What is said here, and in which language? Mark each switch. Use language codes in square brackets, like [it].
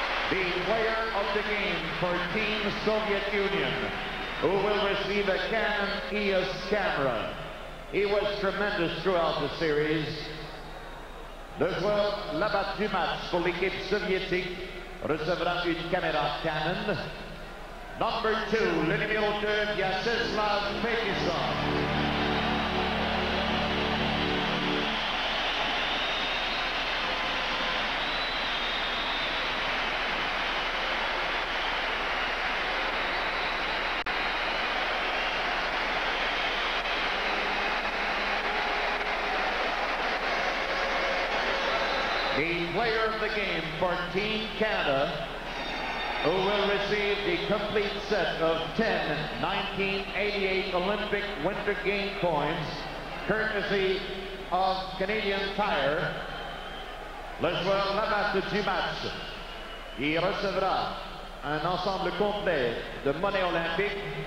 [en] The player of the game for Team Soviet Union, who will receive a Canon EOS camera. He was tremendous throughout the series. [fr] Le joueur là-bas du match pour l'équipe soviétique recevra une caméra Canon. [en] Number two, [fr] l'éliminateur Vyacheslav Pekisov. [en] Player of the game for Team Canada, who will receive the complete set of 10 1988 Olympic Winter Game coins, courtesy of Canadian Tire. [fr] Le joueur là-bas du match, il recevra un ensemble complet de monnaie olympique.